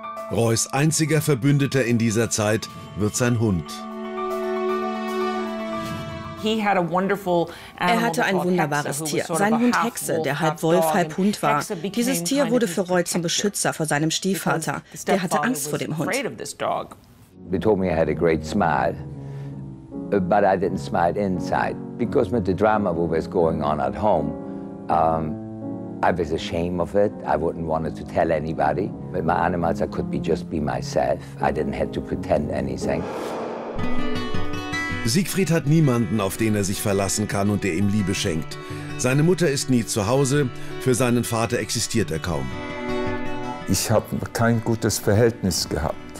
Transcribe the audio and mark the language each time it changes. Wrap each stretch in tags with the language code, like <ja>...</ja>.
<de>Roys einziger Verbündeter in dieser Zeit wird sein Hund. Er hatte ein wunderbares Tier, sein Hund Hexe, der halb Wolf, halb Hund war. Dieses Tier wurde für Roy zum Beschützer vor seinem Stiefvater. Der hatte Angst vor dem Hund.</de> <en>They told me I had a great smile, but I didn't smile inside, because with the drama that was going on at home, I was ashamed of it. I wouldn't want to tell anybody. With my animals, I could be just be myself. I didn't have to pretend anything.</en> <de>Siegfried hat niemanden, auf den er sich verlassen kann und der ihm Liebe schenkt. Seine Mutter ist nie zu Hause, für seinen Vater existiert er kaum. Ich habe kein gutes Verhältnis gehabt.</de>